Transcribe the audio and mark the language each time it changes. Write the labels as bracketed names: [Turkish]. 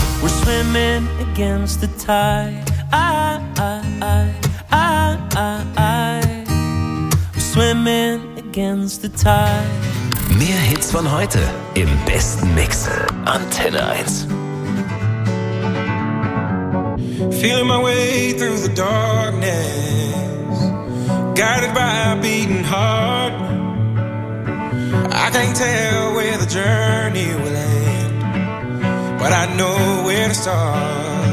[English] Against the tide, I swimming against the tide. [German] Mehr Hits von heute im besten Mix. Antenne 1. [English] Feeling my way through the darkness, guided by a beating heart. I can't tell where the journey will end, but I know where to start.